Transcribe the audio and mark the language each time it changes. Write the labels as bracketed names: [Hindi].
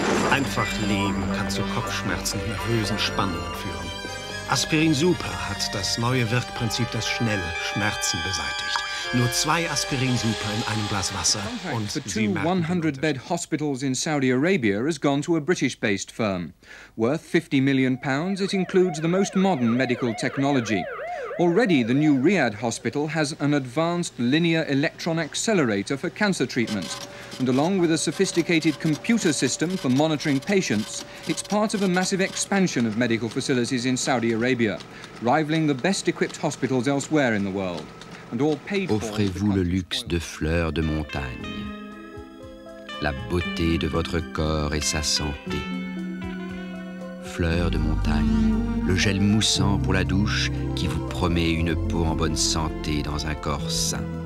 [German] Einfach leben kann zu Kopfschmerzen und nervösen Spannungen führen. Aspirin Super hat das neue Wirkprinzip, das schnell Schmerzen beseitigt. Nur zwei Aspirin Super in einem Glas Wasser und Sie merken. [English] The 100-bed hospitals in Saudi Arabia has gone to a British-based firm. Worth £50 million, it includes the most modern medical technology. Already, the new Riyadh hospital has an advanced linear electron accelerator for cancer treatment. and along with a sophisticated computer system for monitoring patients, it's part of a massive expansion of medical facilities in Saudi Arabia, rivaling the best-equipped hospitals elsewhere in the world, and all paid for. [French] Offrez-vous le luxe de fleurs de montagne, la beauté de votre corps et sa santé. Fleurs de montagne, le gel moussant pour la douche qui vous promet une peau en bonne santé dans un corps sain.